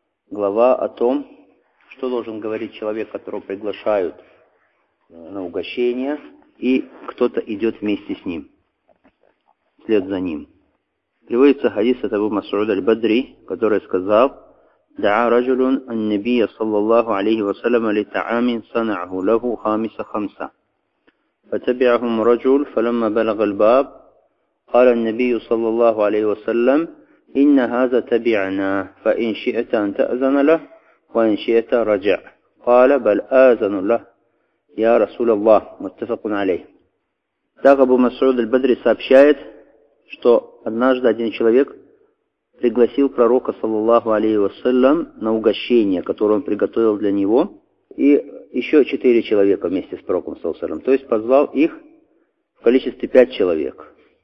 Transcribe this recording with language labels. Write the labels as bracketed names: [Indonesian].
[Russian] Глава о том, что должен говорить человек, которого приглашают на угощение, и кто-то идет вместе с ним, вслед за ним. Приводится хадис от Абу Масуда Аль-Бадри, который сказал: [Arabic] «Да'а раджулун ан-набия саллаллаху алейхи вассаляма ли та'амин санаху лаху хамиса хамса. Фатабиахум раджул фаламма балаг аль-баб». قال النبي صلى الله عليه وسلم إن هذا تبعنا فإن شئت أن تأذن له وإن شئت رجع قال بل آذن له يا رسول الله متفق عليه. [Russian] Так Абу Масуд аль-Бадри сообщает, что однажды один человек пригласил пророка صلى الله عليه وسلم на угощение, которое он приготовил для него, и еще четыре человека вместе с пророком صلى الله عليه وسلم, то есть позвал их в количестве пять человек.